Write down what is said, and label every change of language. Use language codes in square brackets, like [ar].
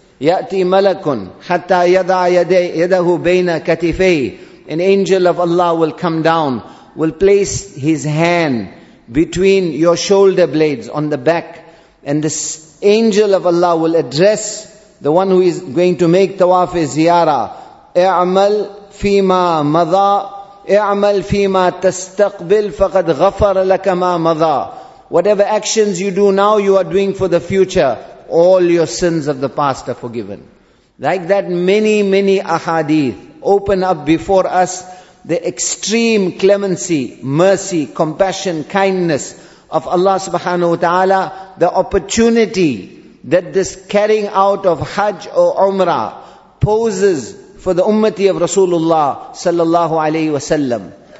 [ar] Ya'ti malakun hatta yada'a yadahu bayna katifay. [en] An angel of Allah will come down, will place his hand between your shoulder blades on the back, and this angel of Allah will address the one who is going to make tawaf ziyara. [ar] اعمل فيما مضى اعمل فيما تستقبل فقد غفر لك ما مضى. [en] Whatever actions you do now, you are doing for the future. All your sins of the past are forgiven. Like that, many, many ahadith open up before us the extreme clemency, mercy, compassion, kindness of Allah subhanahu wa ta'ala, the opportunity that this carrying out of hajj or umrah poses for the ummati of Rasulullah sallallahu alayhi wa sallam.